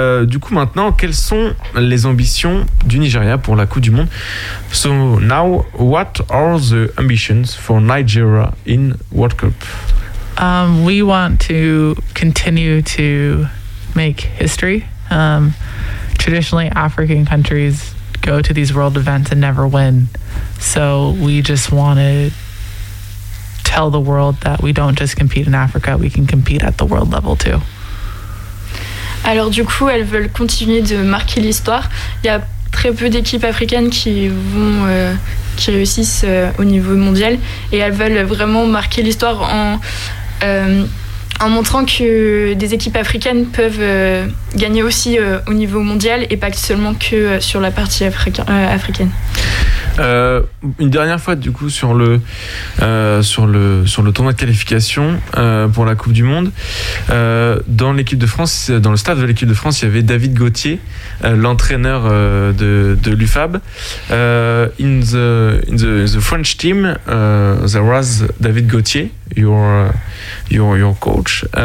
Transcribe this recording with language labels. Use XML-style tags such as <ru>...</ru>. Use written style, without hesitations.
<fr>Du coup, maintenant, quelles sont les ambitions du Nigeria pour la Coupe du Monde?</fr> <en>So now, what are the ambitions for Nigeria in World Cup? We want to continue to make history. Traditionally, African countries go to these world events and never win. So we just want to tell the world that we don't just compete in Africa, we can compete at the world level too.</en> <fr>Alors du coup, elles veulent continuer de marquer l'histoire. Il y a très peu d'équipes africaines qui réussissent au niveau mondial, et elles veulent vraiment marquer l'histoire en montrant que des équipes africaines peuvent gagner aussi au niveau mondial et pas seulement que sur la partie africaine. Une dernière fois, du coup, sur le tournoi de qualification pour la Coupe du Monde, dans l'équipe de France, dans le staff de l'équipe de France, il y avait David Gauthier, l'entraîneur de l'UFAB.</fr> <en>In the French team, there was David Gauthier, your coach.</en>